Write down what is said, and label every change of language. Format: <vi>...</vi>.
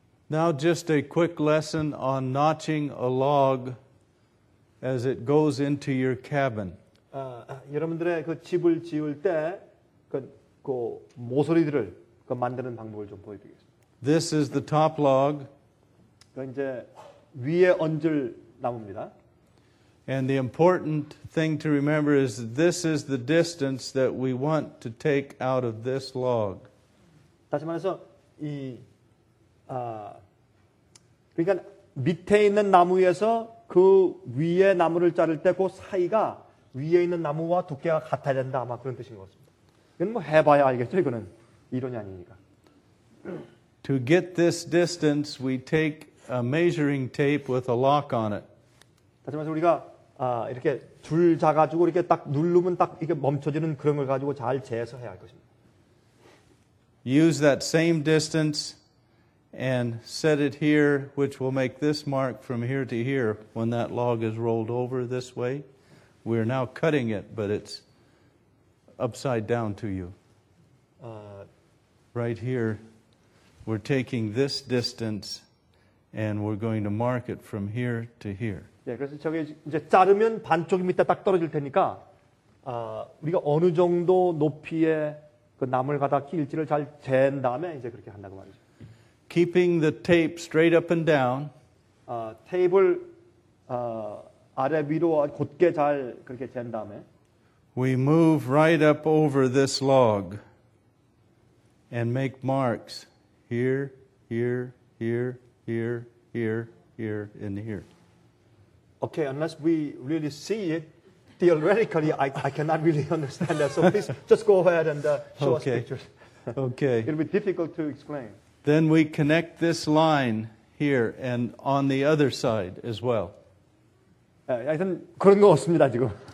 <en>Now just a quick lesson on notching a log as it goes into your cabin.</en> <ko>여러분들의 그 집을 지을 때 그 모서리들을 그 만드는 방법을 좀 보여드리겠습니다.</ko> <en>This is the top log.</en> <ko>그 이제 위에 얹을 나무입니다.</ko> <en>And the important thing to remember is that this is the distance that we want to take out of this log.</en> <ko>다시 말해서 이 그러니까 밑에 있는 나무 위에서 그 위에 나무를 자를 때 그 사이가 위에 있는 나무와 두께가 같아야 된다 아마 그런 뜻인 것 같습니다. 이건 뭐 해봐야 알겠죠. 이거는 이론이 아니니까.</ko> <en>To get this distance, we take a measuring tape with a lock on it.</en> <ko>다시 말해서 우리가 이렇게 줄 자가지고 이렇게 딱 누르면 딱 이게 멈춰지는 그런 걸 가지고 잘 재서 해야 할 것입니다.</ko> <en>Use that same distance. And set it here, which will make this mark from here to here. When that log is rolled over this way, we are now cutting it, but it's upside down to you. Right here, we're taking this distance, and we're going to mark it from here to here.</en> <ko>예, 그래서 저기 이제 자르면 반쪽이 밑에 딱 떨어질 테니까 우리가 어느 정도 높이에 그 나무를 갖다 끼일지를 잘 잰 다음에 이제 그렇게 한다고 말이죠.</ko> <en>Keeping the tape straight up and down.</en> <ko>테이블 아래 위로 곧게 잘 그렇게 잰 다음에.</ko> <en>We move right up over this log and make marks here, here, here, here, here, here, and here. Okay, unless we really see it theoretically, I cannot really understand that. So please just go ahead and show okay. us pictures. Okay. It'll be difficult to explain. Then we connect this line here and on the other side as well.</en> <ko>하여튼 그런 거 없습니다 지금.</ko>